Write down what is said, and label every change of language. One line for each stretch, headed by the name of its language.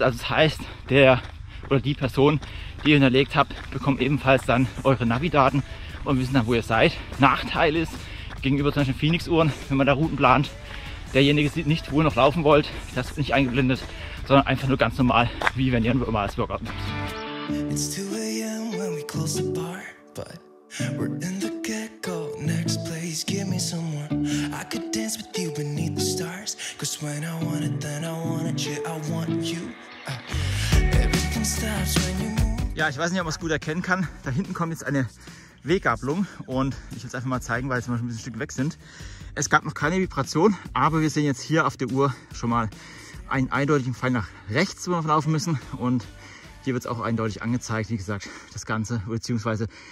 German: Also das heißt, der oder die Person, die ihr hinterlegt habt, bekommt ebenfalls dann eure Navi-Daten und wissen dann, wo ihr seid. Nachteil ist, gegenüber zum Beispiel Phoenix-Uhren, wenn man da Routen plant, derjenige sieht nicht, wo ihr noch laufen wollt, das ist nicht eingeblendet, sondern einfach nur ganz normal, wie wenn ihr ein normales Workout macht.
English: It's 2 a.m. when we close the bar, but we're in the get-go. Next place, give me some more. I could dance with you beneath the stars, 'cause when I want it, then I want it. Yeah, I want you. Everything stops when you move.
German: Ja, ich weiß nicht, ob man es gut erkennen kann. Da hinten kommt jetzt eine Weggabelung und ich will es einfach mal zeigen, weil jetzt mal schon ein Stück weg sind. Es gab noch keine Vibration, aber wir sehen jetzt hier auf der Uhr schon mal einen eindeutigen Pfeil nach rechts, wo wir laufen müssen. Und hier wird es auch eindeutig angezeigt. Wie gesagt, das Ganze bzw.